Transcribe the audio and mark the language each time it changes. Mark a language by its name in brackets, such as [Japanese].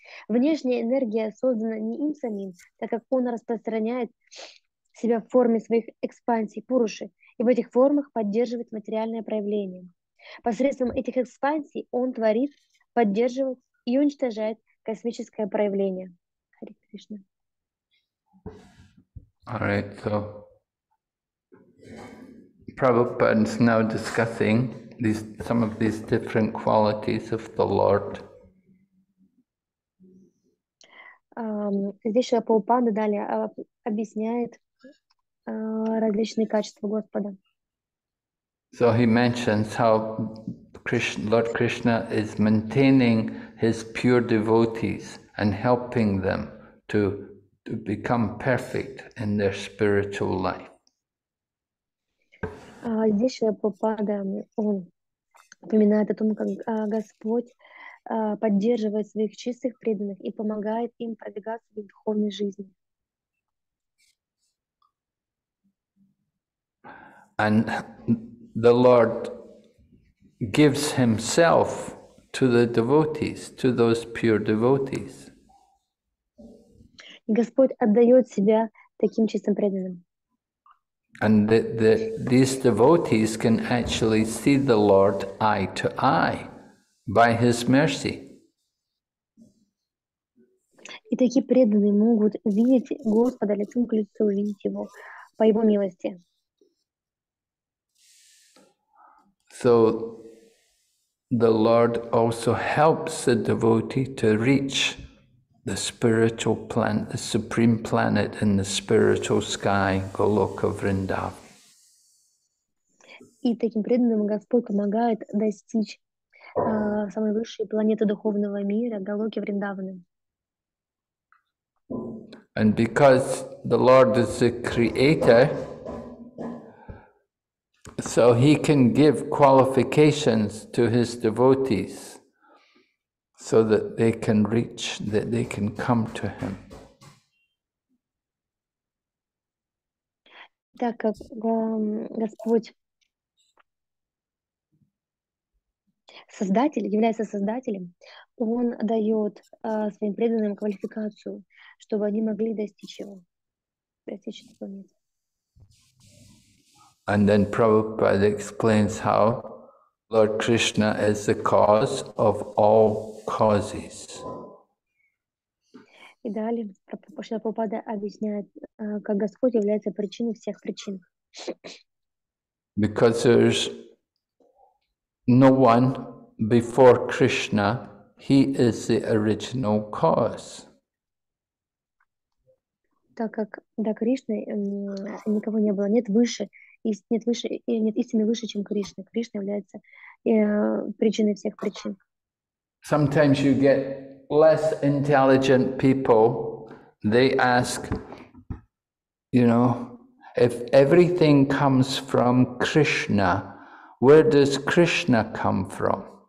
[Russian] Внешняя энергия создана не им самим, так как Он распространяет себя в форме своих экспансий Пуруши и в этих формах поддерживает материальное проявление. Посредством этих экспансий Он творит, поддерживает и уничтожает космическое проявление. Харе Кришна. [English] All right, so Prabhupada is now discussing these, some of these different qualities of the Lord. [Russian] Здесь Шрила Прабхупада далее объясняет различные качества Господа. [English] So he mentions how Lord Krishna is maintaining his pure devotees and helping them to become perfect in their spiritual life. [Russian] Здесь Шрила Прабхупада, он упоминает о том, как Господь поддерживает своих чистых преданных и помогает им продвигаться в духовной жизни. [English] And the Lord gives himself to the devotees, to those pure devotees. [Russian] Господь отдает себя таким чистым преданным. [English] And these devotees can actually see the Lord eye to eye by His mercy. [Russian] И такие преданные могут видеть Господа лицом к лицу, видеть Его по Его милости. [English] So the Lord also helps the devotee to reach the spiritual planet, the supreme planet in the spiritual sky, Goloka Vrindavan. [Russian] И таким преданным Господь помогает достичь самой высшей планеты духовного мира, Голоки Вриндаваны. [English] And because the Lord is the creator, so he can give qualifications to his devotees so that they can reach, that they can come to him. [Russian] Так как Господь создатель, является создателем, он дает своим преданным квалификацию, чтобы они могли достичь его, достичь этого места. [English] And then Prabhupada explains how Lord Krishna is the cause of all causes. [Russian] И далее Прабхупада объясняет, как Господь является причиной всех причин. [English] Because there's no one before Krishna, he is the original cause. [Russian] Так как до Кришны никого не было, нет выше. Нет выше, нет истины выше, чем Кришна. Кришна является причиной всех причин. [English] Sometimes you get less intelligent people, they ask, you know, if everything comes from Krishna, where does Krishna come from?